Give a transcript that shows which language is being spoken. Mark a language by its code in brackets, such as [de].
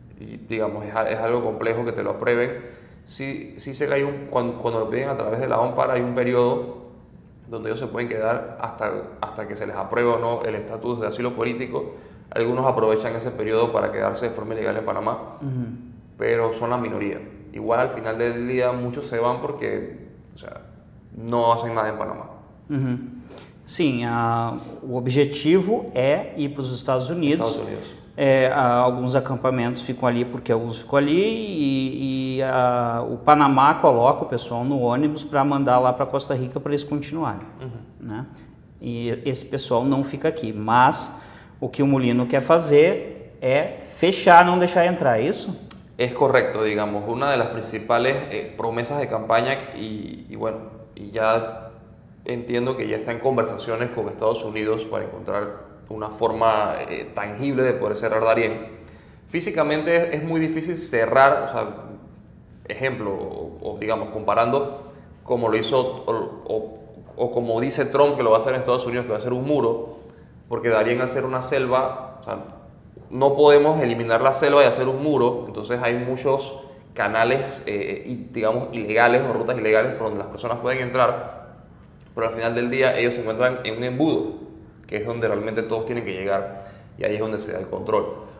[es] Y, digamos, es algo complejo que te lo aprueben. Sí, sé que hay cuando lo piden a través de la OMPAR, hay un periodo donde ellos se pueden quedar hasta que se les apruebe o no el estatus de asilo político. Algunos aprovechan ese periodo para quedarse de forma ilegal en Panamá, pero son la minoría. Igual al final del día muchos se van porque, o sea, no hacen nada en Panamá. [pt] Sim, o objetivo é ir para os Estados Estados Unidos. Unidos. Alguns acampamentos ficam ali porque alguns ficam ali, e o Panamá coloca o pessoal no ônibus para mandar lá para Costa Rica para eles continuarem, né? E esse pessoal não fica aqui. Mas o que o Molino quer fazer é fechar, não deixar entrar, isso? [es] Es correcto, digamos, una de las principales promesas de campaña y ya entiendo que ya está en conversaciones con Estados Unidos para encontrar una forma tangible de poder cerrar Darién. Físicamente es muy difícil cerrar, o sea, ejemplo, o digamos, comparando como lo hizo o como dice Trump que lo va a hacer en Estados Unidos, que va a hacer un muro, porque Darién al ser una selva, o sea, no podemos eliminar la selva y hacer un muro, entonces hay muchos canales, digamos, ilegales o rutas ilegales por donde las personas pueden entrar, pero al final del día ellos se encuentran en un embudo, que es donde realmente todos tienen que llegar y ahí es donde se da el control.